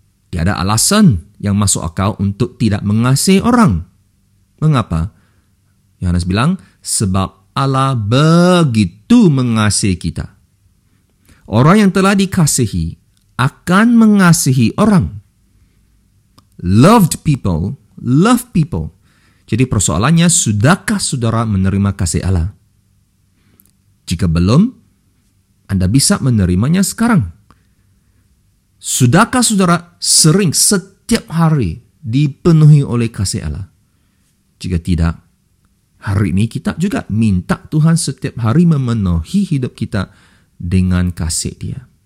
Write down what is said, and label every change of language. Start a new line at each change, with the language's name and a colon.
Indonesian: Tiada alasan yang masuk akal untuk tidak mengasihi orang. Mengapa? Yohanes bilang, sebab Allah begitu mengasihi kita. Orang yang telah dikasihi akan mengasihi orang.
English: Loved people love people.
Indonesian: Jadi persoalannya, sudahkah saudara menerima kasih Allah? Jika belum, Anda bisa menerimanya sekarang. Sudahkah saudara sering setiap hari dipenuhi oleh kasih Allah? Jika tidak, hari ini kita juga minta Tuhan setiap hari memenuhi hidup kita dengan kasih dia.